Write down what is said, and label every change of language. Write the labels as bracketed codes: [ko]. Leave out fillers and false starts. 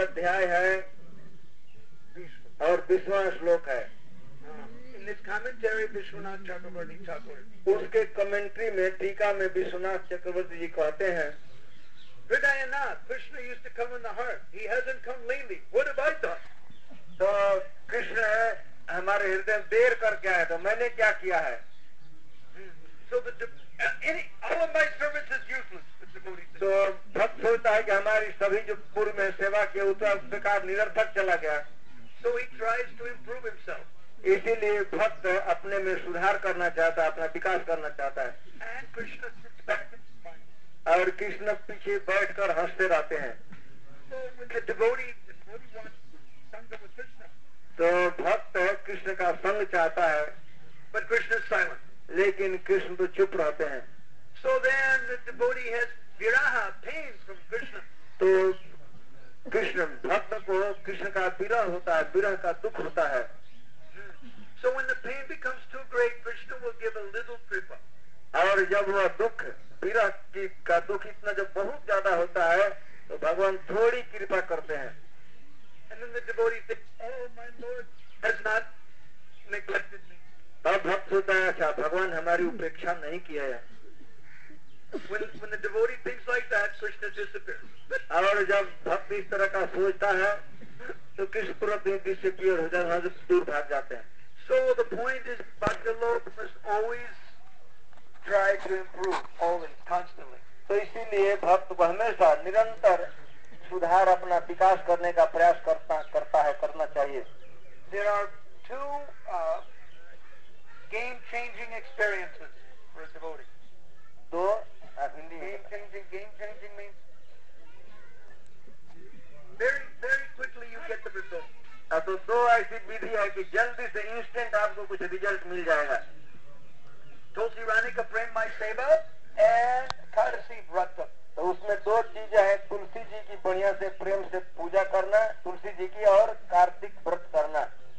[hi] अध्याय है और 20वां श्लोक है. [en] In this commentary, Vishwanath Chakravarti Thakur. [hi] उसके कमेंट्री में टीका में विश्वनाथ चक्रवर्ती जी कहते हैं. [en] Hridaynath Krishna used to come in the heart. He hasn't come lately. What have I done? [hi] तो कृष्ण हमारे हृदय में देर करके आए तो मैंने क्या किया है. [en] So all of my service is useless. [hi] तो भक्त सोचता है कि हमारी सभी जो पूर्व में सेवा किया उतना बेकार निरर्थक चला गया. [en] So he tries to improve himself. [hi] इसीलिए भक्त अपने में सुधार करना चाहता है अपना विकास करना चाहता है. [en] And Krishna sits back and smiles. [hi] और कृष्ण पीछे बैठ कर हंसते रहते हैं. [en] So when the devotee wants sangha with Krishna. [hi] तो भक्त कृष्ण का संग चाहता है. [en] But Krishna is silent. [hi] लेकिन कृष्ण तो चुप रहते हैं. [en] So then the devotee has viraha pain from Krishna. [hi] तो कृष्ण भक्त को कृष्ण का विरह होता है विरह का दुख होता है. [en] So when the pain becomes too great, Krishna will give a little kripa. [hi] और जब वह दुख पीड़ा की का दुख इतना जब बहुत ज्यादा होता है तो भगवान थोड़ी कृपा करते हैं. [en] And then the devotee thinks, oh my Lord has not neglected me. [hi] तब भक्त होता है अच्छा भगवान हमारी उपेक्षा नहीं किया है. [en] When the devotee thinks like that, Krishna disappears. [hi] और जब भक्त इस तरह का सोचता है तो कृष्ण तुरंत डिसअपीयर हो जाते हैं दूर भाग जाते हैं. [en] So the point is, Bhaktalok must always try to improve, always, constantly. [hi] तो इसीलिए भक्त हमेशा निरंतर सुधार अपना विकास करने का प्रयास करता है करना चाहिए. [en] There are two game-changing experiences for a devotee. [hi] दो [en] game-changing means very, very quickly you get the result. [hi] तो दो ऐसी विधि है कि जल्दी से इंस्टेंट आपको कुछ रिजल्ट मिल जाएगा. तुलसी रानी का प्रेम माई सेवा एंड एकादशी व्रत. तो उसमें दो चीजें हैं तुलसी जी की बढ़िया से प्रेम से पूजा करना तुलसी जी की और कार्तिक व्रत करना.